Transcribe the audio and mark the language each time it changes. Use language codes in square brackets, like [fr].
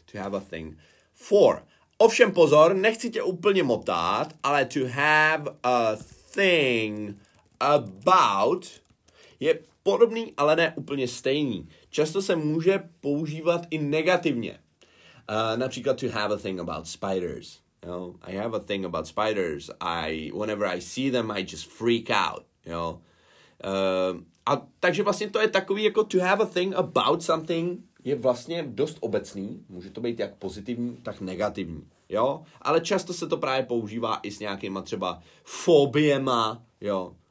[en] To have a thing for. [cs] Ovšem pozor, nechci tě úplně motat, ale [en] to have a thing about [cs] je podobný, ale ne úplně stejný. Často se může používat i negativně. [en] Například to have a thing about spiders. You know, I have a thing about spiders. Whenever I see them, I just freak out. You know? [cs] A takže vlastně to je takový jako [en] to have a thing about something [cs] je vlastně dost obecný. Může to být jak pozitivní, tak negativní. Jo? Ale často se to právě používá i s nějakýma třeba fobiema. [en] You know?